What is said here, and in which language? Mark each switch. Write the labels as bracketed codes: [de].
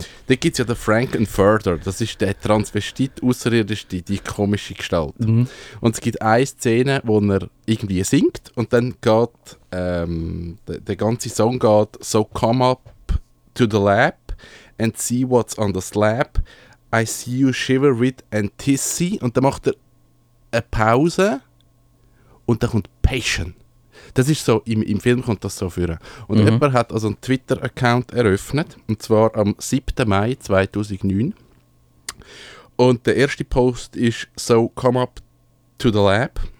[de] Da gibt es ja den Frankenfurter, das ist der Transvestit, außerirdische, die komische Gestalt. Mhm. Und es gibt eine Szene, wo er irgendwie singt und dann geht der ganze Song geht [en] So come up to the lab and see what's on the slab. I see you shiver with and tissy. [de] Und dann macht er eine Pause und dann kommt Passion. Das ist so, im Film kommt das so führen. Und jemand hat also einen Twitter-Account eröffnet, und zwar am 7. Mai 2009. Und der erste Post ist [en] So come up to the lab.